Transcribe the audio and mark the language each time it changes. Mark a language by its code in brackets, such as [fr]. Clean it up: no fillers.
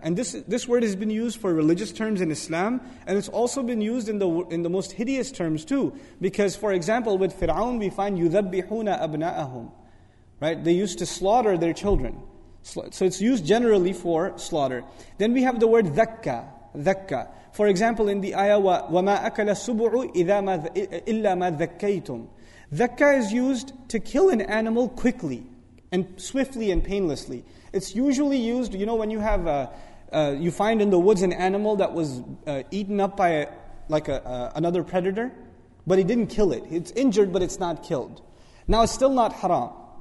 [en] And this word has been used for religious terms in Islam, and it's also been used in the most hideous terms too. Because, for example, with Fir'aun we find [ar] يُذَبِّحُونَ أَبْنَاءَهُمْ. [en] Right? They used to slaughter their children. So it's used generally for slaughter. [ar] Then we have the word ذَكَّى. ذَكَّى. [en] For example, in the ayah, [ar] وَمَا أَكَلَ السُّبُعُ إِلَّا مَا ذَكَّيْتُمْ. [en] ذَكَّى is used to kill an animal quickly, and swiftly and painlessly. It's usually used, you know, when you have you find in the woods an animal that was eaten up by another predator, but he didn't kill it. It's injured, but it's not killed. Now, it's still not haram.